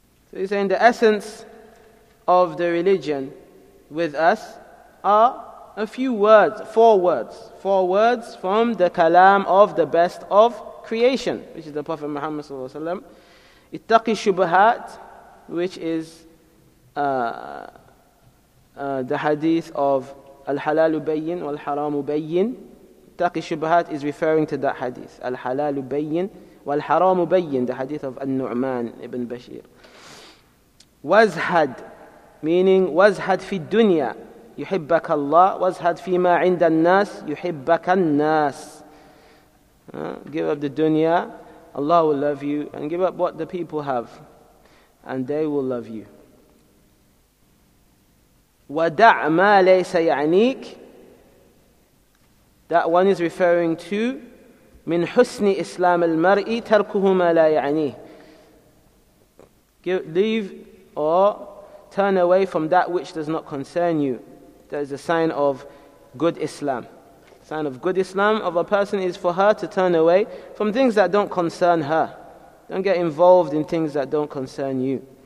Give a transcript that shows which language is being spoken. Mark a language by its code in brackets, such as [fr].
[en] So he's saying the essence of the religion with us are a few words, four words from the kalam of the best of creation, which is the Prophet Muhammad sallallahu alaihi wasallam. [ar] Ittaqi shubhat, [en] which is the hadith of [ar] الحلال بين والحرام بين. تاقي الشبهات [en] is referring to that hadith. [ar] الحلال بين والحرام بين, [en] the hadith of [ar] النعمان ابن بشير. وزهد [en] meaning [ar] وزهد في الدنيا يحبك الله, وزهد فيما عند الناس يحبك الناس. [en] Give up the dunya, Allah will love you, and give up what the people have, and they will love you. [ar] ودع ما ليس يعنيك. [en] That one is referring to [ar] من حسن إسلام المرء تركه ما لا يعنيه. [en] Leave or turn away from that which does not concern you. That is a sign of good Islam. Sign of good Islam of a person is for her to turn away from things that don't concern her. Don't get involved in things that don't concern you.